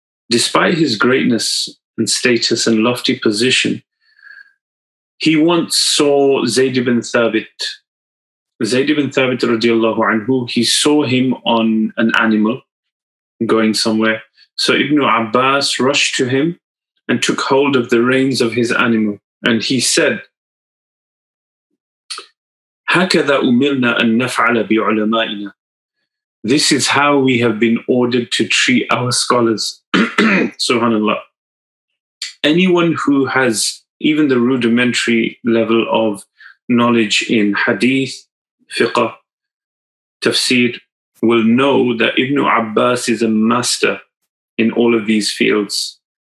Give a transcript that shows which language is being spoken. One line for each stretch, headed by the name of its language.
English: Despite his greatness and status and lofty position, he once saw Zayd ibn Thabit. Zayd ibn Thabit, radiallahu anhu, he saw him on an animal going somewhere. So Ibn Abbas rushed to him and took hold of the reins of his animal. And he said,
Arabic: هكذا أمرنا أن نفعل بعلمائنا.
English: This is how we have been ordered to treat our scholars. SubhanAllah. Anyone who has even the rudimentary level of knowledge in hadith, fiqh, tafsir, will know that Ibn Abbas is a master in all of these fields.